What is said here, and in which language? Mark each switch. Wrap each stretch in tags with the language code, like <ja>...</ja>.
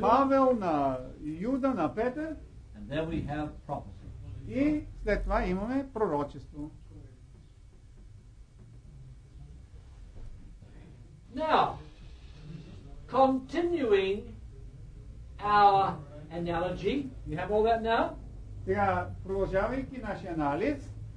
<bg>Павел, на Юда, на Петър.</bg> <en>And then we have prophecy.</en> <bg>И след това имаме пророчество.</bg> <en>Now, continuing our analogy, you have all that now?</en> <bg>Сега, продължавайки нашия анализ.</bg>